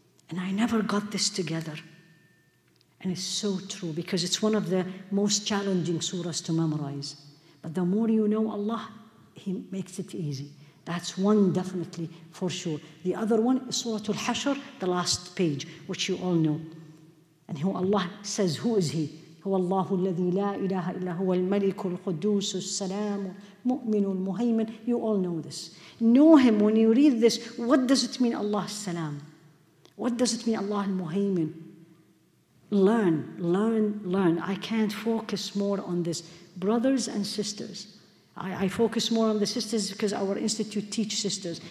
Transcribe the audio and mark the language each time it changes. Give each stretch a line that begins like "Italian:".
English: And I never got this together. And it's so true because it's one of the most challenging surahs to memorize. But the more you know Allah, He makes it easy. That's one definitely for sure. The other one is Suratul Hashr, the last page, which you all know. And who Allah says, who is He?
Arabic: هو الله الذي لا إله إلا هو الملك القدوس السلام المؤمن المهيمن.
English: You all know this. Know Him when you read this. What does it mean, Allah السلام? What does it mean, Allah المهيمن? Learn, learn, learn. I can't focus more on this. Brothers and sisters. I focus more on the sisters because our institute teaches sisters.